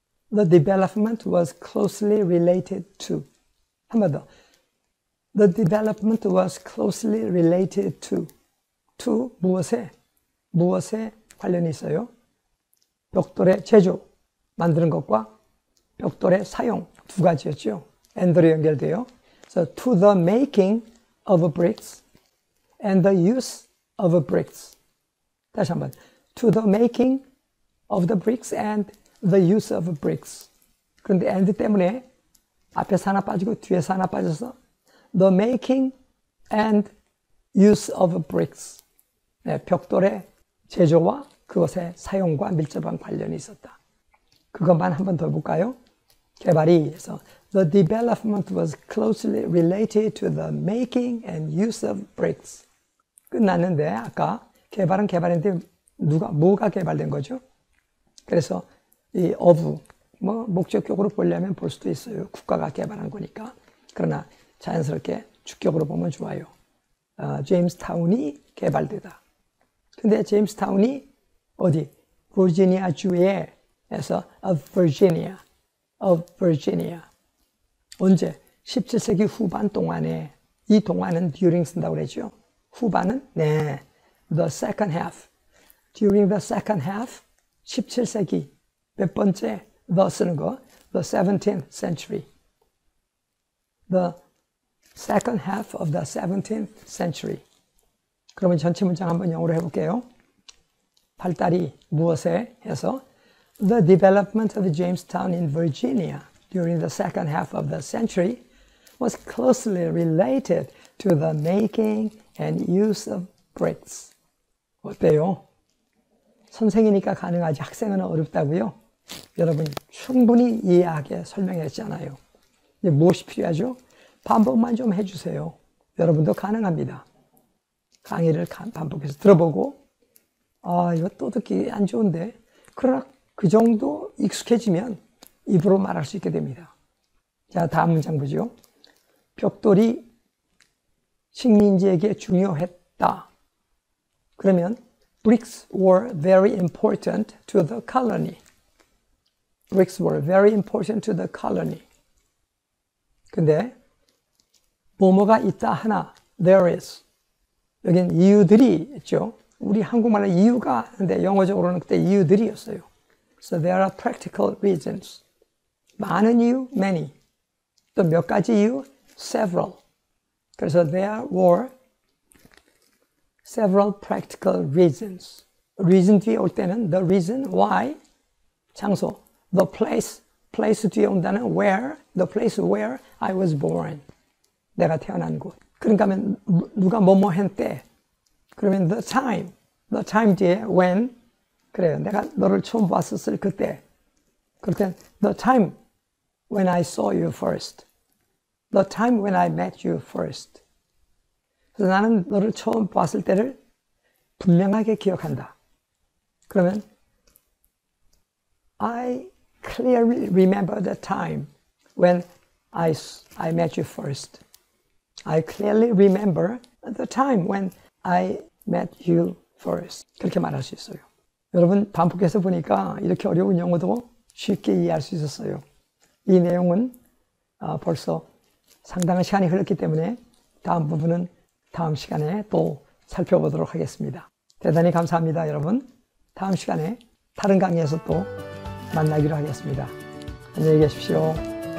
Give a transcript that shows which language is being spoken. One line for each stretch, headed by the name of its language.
English: The development was closely related to.
Korean: 한 번 더.
English: The development was closely related to. To
Korean: 무엇에? 무엇에 관련이 있어요? 벽돌의 제조. 만드는 것과 벽돌의 사용 두 가지였죠. and로 연결돼요.
English: So to the making of bricks and the use of bricks.
Korean: 다시 한번.
English: To the making of the bricks and the use of bricks.
Korean: 그런데 and 때문에 앞에서 하나 빠지고 뒤에서 하나 빠져서
English: the making and use of bricks.
Korean: 네, 벽돌의 제조와 그것의 사용과 밀접한 관련이 있었다. 그것만 한 번 더 볼까요? 개발이 해서
English: The development was closely related to the making and use of bricks.
Korean: 끝났는데 아까 개발은 개발인데 누가 뭐가 개발된 거죠? 그래서 이 of 뭐 목적격으로 보려면 볼 수도 있어요. 국가가 개발한 거니까. 그러나 자연스럽게 주격으로 보면 좋아요. 제임스타운이 개발되다. 근데 제임스타운이 어디? 버지니아 주에 해서
English: of Virginia. Of Virginia.
Korean: 언제? 17세기 후반 동안에. 이 동안은 during 쓴다고 그랬죠? 후반은? 네.
English: The second half. During the second half. 17세기.
Korean: 몇 번째?
English: The
Korean: 쓰는 거.
English: The 17th century. The second half of the 17th century.
Korean: 그러면 전체 문장 한번 영어로 해볼게요. 발달이 무엇에 해서?
English: The development of Jamestown in Virginia during the second half of the century was closely related to the making and use of bricks.
Korean: 어때요? 선생이니까 가능하지 학생은 어렵다고요? 여러분 충분히 이해하게 설명했잖아요. 이제 무엇이 필요하죠? 반복만 좀 해주세요. 여러분도 가능합니다. 강의를 반복해서 들어보고 아 이거 또 듣기 안 좋은데 그러나 그 정도 익숙해지면 입으로 말할 수 있게 됩니다. 자, 다음 문장 보죠. 벽돌이 식민지에게 중요했다. 그러면
English: bricks were very important to the colony. Bricks were very important to the colony.
Korean: 근데 뭐뭐가 있다 하나
English: there is
Korean: 여긴 이유들이 있죠. 우리 한국말로 이유가 있는데 영어적으로는 그때 이유들이었어요.
English: So there are practical reasons.
Korean: 많은 이유,
English: many.
Korean: 또 몇 가지 이유,
English: several. 그래서 there were several practical reasons. Reason
Korean: 뒤에 올 때는
English: the reason, why,
Korean: 장소,
English: the place. Place
Korean: 뒤에 온다는
English: where, the place where I was born.
Korean: 내가 태어난 곳. 그러니까 하면 누가 뭐뭐 했대. 그러면
English: the time. The time 뒤에 when.
Korean: 그래요. 내가 너를 처음 봤었을 그때. 그럴 땐
English: the time when I saw you first. The time when I met you first.
Korean: 그래서 나는 너를 처음 봤을 때를 분명하게 기억한다. 그러면
English: I clearly remember the time when I met you first. I clearly remember the time when I met you first.
Korean: 그렇게 말할 수 있어요. 여러분 반복해서 보니까 이렇게 어려운 영어도 쉽게 이해할 수 있었어요. 이 내용은 벌써 상당한 시간이 흘렀기 때문에 다음 부분은 다음 시간에 또 살펴보도록 하겠습니다. 대단히 감사합니다, 여러분. 다음 시간에 다른 강의에서 또 만나기로 하겠습니다. 안녕히 계십시오.